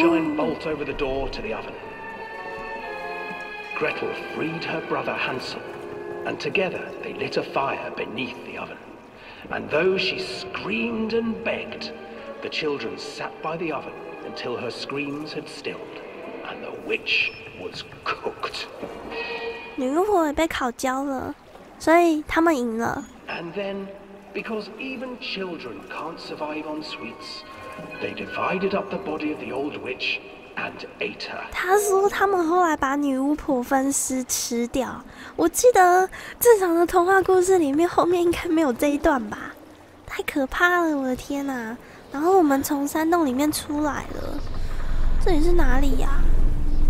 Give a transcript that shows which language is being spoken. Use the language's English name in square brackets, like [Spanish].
[English] Gretel freed her brother Hansel, and together they lit a fire beneath the oven. And though she screamed and begged, the children sat by the oven until her screams had stilled, and the witch was cooked. [Chinese] 女巫婆也被烤焦了，所以他们赢了。 [English] And then, because even children can't survive on sweets, they divided up the body of the old witch and ate her. [Chinese] 他说他们后来把女巫婆分尸吃掉。我记得正常的童话故事里面后面应该没有这一段吧？太可怕了，我的天哪、啊！然后我们从山洞里面出来了，这里是哪里呀、啊？